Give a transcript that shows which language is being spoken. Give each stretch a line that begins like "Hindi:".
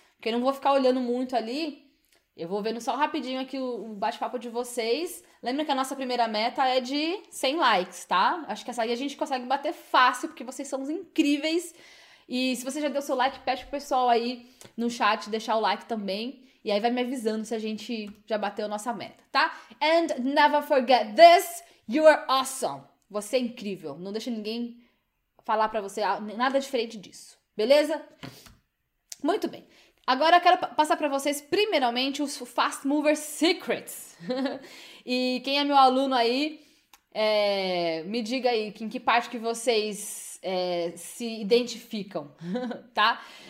Portuguese: Porque eu não vou ficar olhando muito ali. Eu vou vendo só rapidinho aqui o bate-papo de vocês. Lembra que a nossa primeira meta é de 100 likes, tá? Acho que essa aí a gente consegue bater fácil, porque vocês são os incríveis. E se você já deu seu like, pede pro pessoal aí no chat deixar o like também. E aí vai me avisando se a gente já bateu a nossa meta, tá?
English: And never forget this, you are awesome.
Portuguese: Você é incrível. Não deixa ninguém falar para você nada diferente disso. Beleza? Muito bem. Agora eu quero passar para vocês, primeiramente, os Fast Mover Secrets. E quem é meu aluno aí, me diga aí em que parte que vocês se identificam, tá?